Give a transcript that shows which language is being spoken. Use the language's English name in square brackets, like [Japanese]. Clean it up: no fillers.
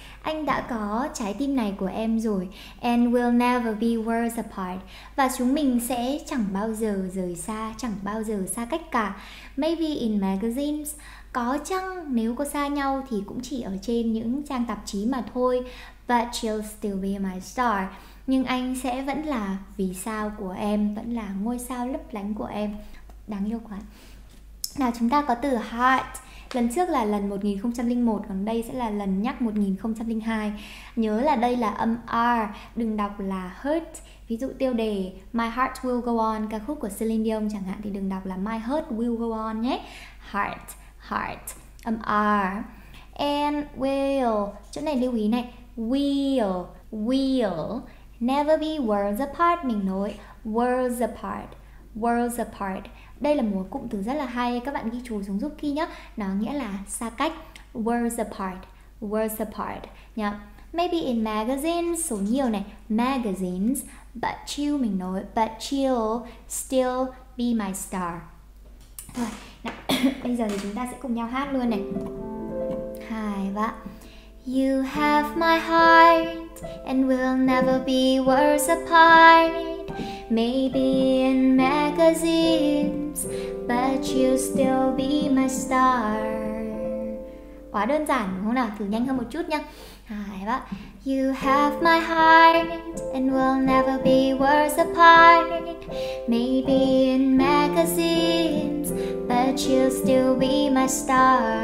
[Vietnamese] Anh đã có trái tim này của em rồi. [English] And we'll never be worlds apart. [Vietnamese] Và chúng mình sẽ chẳng bao giờ rời xa, chẳng bao giờ xa cách cả. [English] Maybe in magazines. [Vietnamese] Có chăng nếu có xa nhau thì cũng chỉ ở trên những trang tạp chí mà thôi. [English] But you'll still be my star. [Vietnamese] Nhưng anh sẽ vẫn là vì sao của em, vẫn là ngôi sao lấp lánh của em. Đáng yêu quá. Nào, chúng ta có từ heart. Lần trước là lần 1001, còn đây sẽ là lần nhắc 1002. Nhớ là đây là âm R, đừng đọc là hurt. Ví dụ tiêu đề My Heart Will Go On, ca khúc của Celine Dion chẳng hạn, thì đừng đọc là My Heart Will Go On nhé. Heart, heart, âm R. And will, chỗ này lưu ý này. [English] Will, will, never be worlds apart. [Vietnamese] Mình nói [English] worlds apart, worlds apart. [Vietnamese] Đây là một cụm từ rất là hay, các bạn ghi chú xuống giúp Ki nhé. Nó nghĩa là xa cách. [English] Worlds apart, worlds apart. Yeah. Maybe in magazines, [Vietnamese] số nhiều này. [English] Magazines, but you, [Vietnamese] mình nói [English] but you'll still be my star. [Vietnamese] Thôi, nào, bây giờ thì chúng ta sẽ cùng nhau hát luôn này. Hai và [English] You have my heart and we'll never be worlds apart. Maybe in magazines, but you'll still be my star. [Vietnamese] Quá đơn giản đúng không nào? Thử nhanh hơn một chút nhá. Hai ba. [English] You have my heart and we'll never be worlds apart. Maybe in magazines, but you'll still be my star.